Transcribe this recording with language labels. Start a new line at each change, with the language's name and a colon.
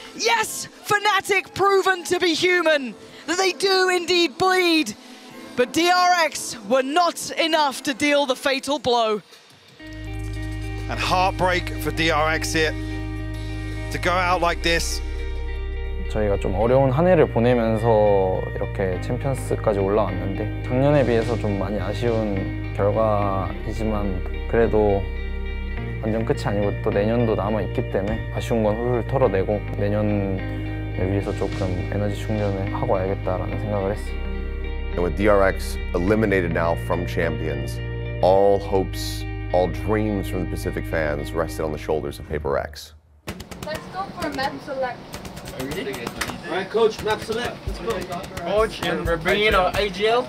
English: Yes, Fnatic proven to be human, that they do indeed bleed. But DRX were not enough to deal the fatal blow. And heartbreak for DRX here, to go out like this.
Korean: 저희가 좀 어려운 한 해를 보내면서 이렇게 챔피언스까지 올라왔는데 작년에 비해서 좀 많이 아쉬운 결과이지만 그래도 완전 끝이 아니고 또 내년도 남아있기 때문에 아쉬운 건 훌훌 털어내고 내년을 위해서 조금 에너지 충전을 하고 와야겠다라는 생각을 했어요.
English: With DRX eliminated now from Champions, all hopes, all dreams from the Pacific fans rested on the shoulders of Paper X. Let's go for a map select. Really? All right, coach, map select. Let's go. Coach, and we're bringing our AGL.